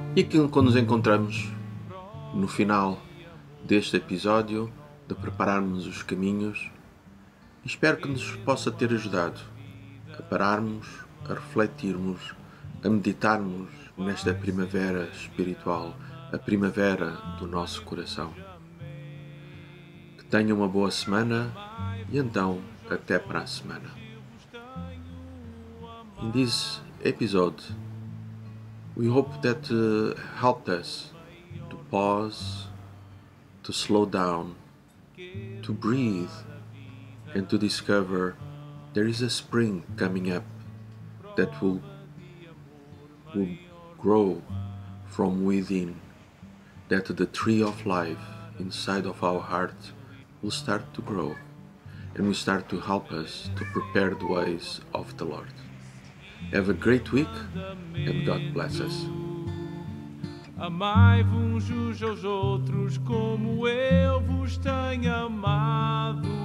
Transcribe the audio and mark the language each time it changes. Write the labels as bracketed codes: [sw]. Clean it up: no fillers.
[pt] E aquilo que nos encontramos no final deste episódio, de prepararmos os caminhos, espero que nos possa ter ajudado a pararmos, a refletirmos, a meditarmos nesta primavera espiritual, a primavera do nosso coração. Que tenha uma boa semana e então até para a semana. [en] In this episode, we hope that helped us to pause, to slow down, to breathe, and to discover there is a spring coming up that will grow from within, that the tree of life inside of our heart will start to grow and will start to help us to prepare the ways of the Lord. Have a great week and God bless us. [pt] Amai-vos uns aos outros como eu vos tenho amado.